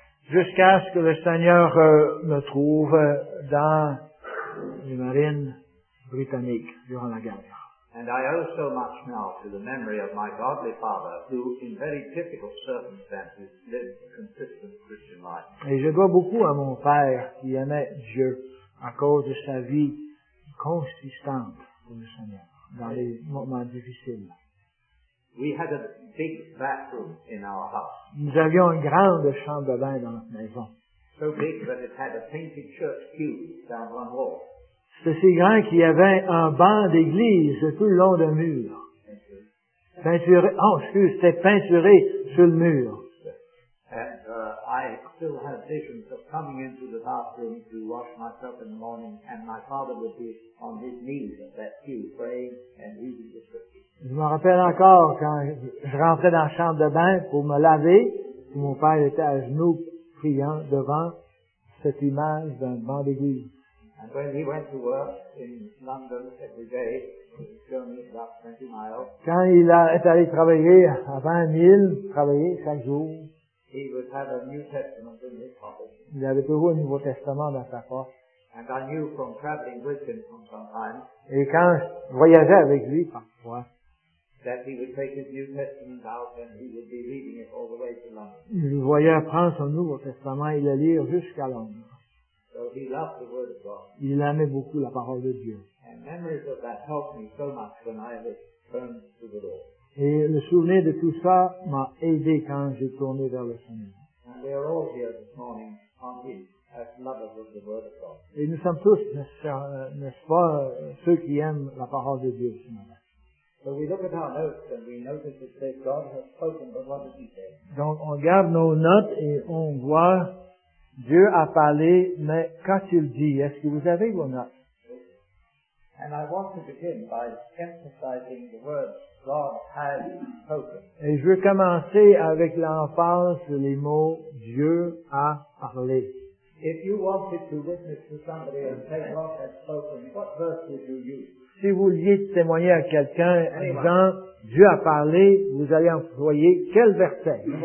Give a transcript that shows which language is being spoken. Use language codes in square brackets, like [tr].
[fr] Jusqu'à ce que le Seigneur me trouve dans les marines britanniques durant la guerre. [en] And I owe so much now to the memory of my godly father, who in very typical circumstances lived a consistent Christian life. [fr] Et je dois beaucoup à mon père qui aimait Dieu à cause de sa vie consistante pour le Seigneur dans les moments difficiles. [en] We had a big bathroom in our house. [fr] Nous avions une grande chambre de bain dans notre maison. [en] So big that it had a painted church pew down one wall. [fr] C'était si grand qu'il y avait un banc d'église tout le long d'un mur. Peinturé. C'était peinturé sur le mur. [en] And, I still have visions of coming into the bathroom to wash myself in the morning, and my father would be on his knees at that pew praying and reading the scriptures. [fr] Je me rappelle encore quand je rentrais dans la chambre de bain pour me laver, et mon père était à genoux priant devant cette image d'un banc d'église. [en] And when he went to work in London every day, he showed me about 20 miles. [fr] Quand il est allé travailler à 20 miles, travailler chaque jour, [en] he would have a New Testament in his pocket. [fr] Il avait toujours un Nouveau Testament dans sa poche. [en] And I knew from traveling with him from some time. [fr] Et quand je voyageais avec lui parfois, [en] that he would take his New Testament out and he would be reading it all the way to London. [fr] Il voyait prendre son Nouveau Testament et le lire jusqu'à Londres. [en] So he loved the word of God. [fr] Il aimait beaucoup la parole de Dieu. [en] And memories of that helped me so much when I was turned to the Lord. [fr] Et le souvenir de tout ça m'a aidé quand j'ai tourné vers le Seigneur. [en] And we are all here this morning on him as lovers of the word of God. [fr] Et nous sommes tous, n'est-ce pas, ceux qui aiment la parole de Dieu ce matin. [en] So we look at our notes and we notice it says God has spoken, but what did he say? [fr] Donc on garde nos notes et on voit Dieu a parlé, mais qu'a-t-il dit? Est-ce que vous avez vos notes? [en] And I want to begin by emphasizing the words God has spoken. [fr] Et je veux commencer avec l'emphase sur les mots Dieu a parlé. [en] If you wanted to witness to somebody and say God has spoken, what verse would you use? [fr] Si vous vouliez témoigner à quelqu'un en disant Dieu a parlé, vous allez employer quel verset?